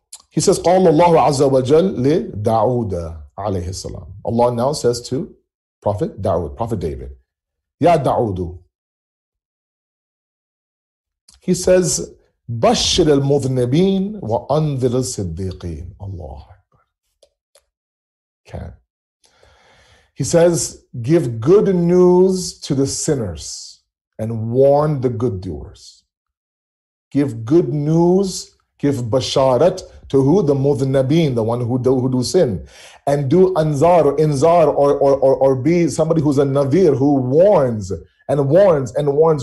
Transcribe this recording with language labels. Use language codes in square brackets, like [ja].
[en] He says, [ar] قال الله عز وجل لداود عليه السلام. [en] Allah now says to Prophet Dawood, Prophet David, [ar] يا داود. [en] He says, [ar] بشر المذنبين وأنذر الصديقين. [en] Allah. Can. He says, give good news to the sinners and warn the good doers. Give good news, give basharat to who? The mudhnabin, the one who do sin. And do anzar, inzar, or be somebody who's a nadir, who warns, and warns, and warns.